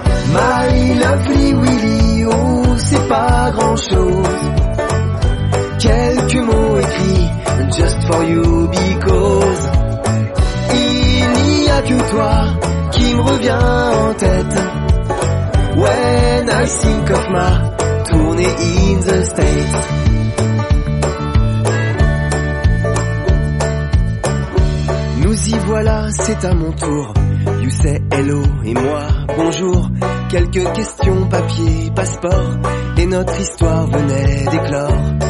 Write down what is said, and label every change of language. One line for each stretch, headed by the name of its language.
English: My lovely Willy, oh,
French: c'est pas grand chose. Quelques mots écrits,
English: just for you because.
French: Il n'y a que toi qui me revient en tête.
English: When I think of my tournée in the States.
French: Nous y voilà, c'est à mon tour.
English: You say hello
French: et moi bonjour. Quelques questions, papier, passeport. Et notre histoire venait d'éclore.